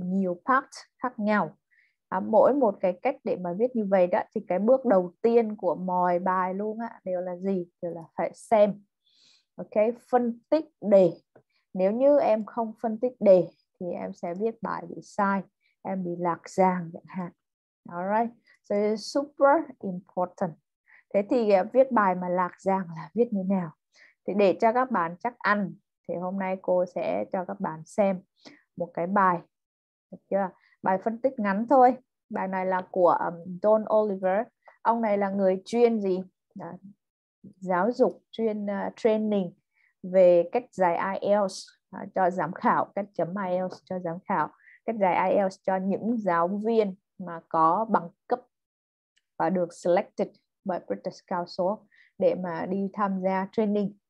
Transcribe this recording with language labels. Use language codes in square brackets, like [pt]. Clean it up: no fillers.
[vi] Nhiều part khác nhau. Mỗi một cái cách để mà viết như vậy đó, thì cái bước đầu tiên của mọi bài luôn á, đều là gì? Đều là phải xem. Ok, phân tích đề. Nếu như em không phân tích đề, thì em sẽ viết bài bị sai, em bị lạc giảng chẳng hạn. [en] Alright, so it's super important. [vi] Thế thì viết bài mà lạc giảng là viết như nào? Thì để cho các bạn chắc ăn, thì hôm nay cô sẽ cho các bạn xem một cái bài. Được chưa? Bài phân tích ngắn thôi. Bài này là của Don Oliver. Ông này là người chuyên gì? Giáo dục, chuyên training về cách giải IELTS cho giám khảo, cách chấm IELTS cho giám khảo, cách giải IELTS cho những giáo viên mà có bằng cấp và được selected bởi British Council để mà đi tham gia training.